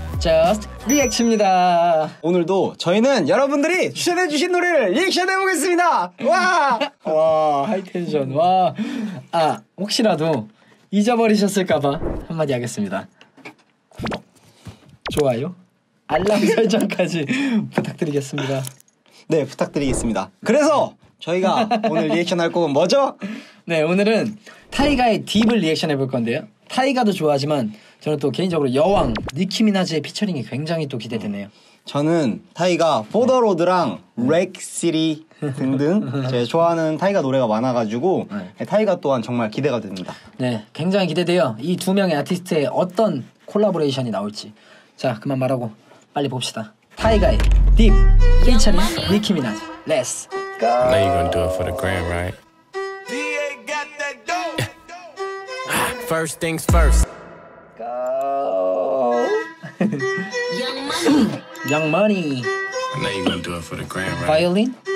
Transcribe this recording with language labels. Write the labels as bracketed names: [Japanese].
[Korean] Just React입니다. 오늘도 저희는 여러분들이 추천해주신 노래를 리액션 해보겠습니다. 와! 와, 하이텐션. 와. 아, 혹시라도 잊어버리셨을까봐 한마디 하겠습니다. 좋아요. 알람 설정까지 부탁드리겠습니다. 네, 부탁드리겠습니다. 그래서 저희가 오늘 리액션 할 곡은 뭐죠? 네, 오늘은 타이가의 딥을 리액션 해볼 건데요. 타이가도 좋아하지만 저는 또 개인적으로 여왕 니키미나즈의 피처링이 굉장히 또 기대되네요. 저는 타이가 포더로드랑 렉시리 등등 제가 좋아하는 타이가 노래가 많아가지고 네. 타이가 또한 정말 기대가 됩니다. 네, 굉장히 기대돼요. 이 두 명의 아티스트의 어떤 콜라보레이션이 나올지. 자, 그만 말하고 빨리 봅시다. 타이가의 딥 피처링 니키미나즈. [English] Let's go. Now you gonna do it for the grand, right? First things first. Go. Young money. Young money. Now you gonna do it for the grand, right? Violin.